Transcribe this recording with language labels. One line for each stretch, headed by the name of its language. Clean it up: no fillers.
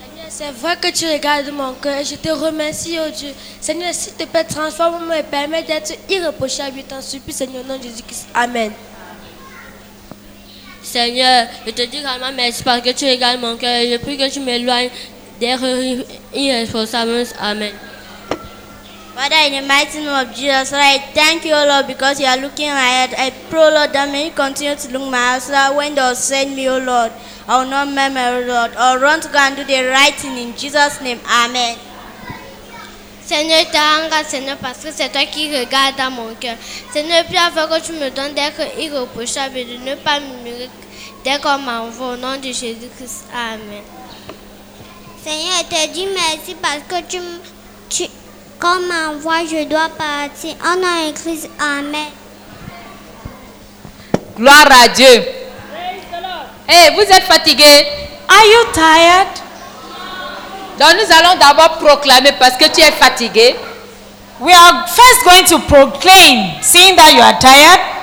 French: Seigneur, c'est vrai que tu regardes mon cœur. Je te remercie, oh Dieu. Seigneur, s'il te plaît, transforme-moi et permets d'être irréprochable. Je t'en supplie, Seigneur, au nom de Jésus-Christ. Amen. Seigneur, je te dis vraiment merci parce que tu regardes mon cœur. Je prie que tu m'éloignes d'être irréprochable. Amen.
English: Father, in the mighty name of Jesus, Lord, I thank you, Lord, because you are looking ahead. I pray, Lord, that may you continue to look my eyes, Lord, when they will send me, oh Lord. I will not murmur, Lord. I will run to God and do the right thing in Jesus' name. Amen.
French: Seigneur, je te rends grâce, Seigneur, parce que c'est toi qui regardes dans mon cœur. Seigneur, prie afin que tu me donnes d'être irréprochable et de ne pas murmurer dès qu'on m'envoie au nom de Jésus-Christ. Amen. Seigneur, je te dis merci parce que tu quand on m'envoie, je dois partir. Au nom de Christ, amen. Gloire à Dieu. Hey, vous êtes fatigué?
English: Are you tired?
French: Donc nous allons d'abord proclamer parce que tu es fatigué.
English: We are first going to proclaim, seeing that you are tired.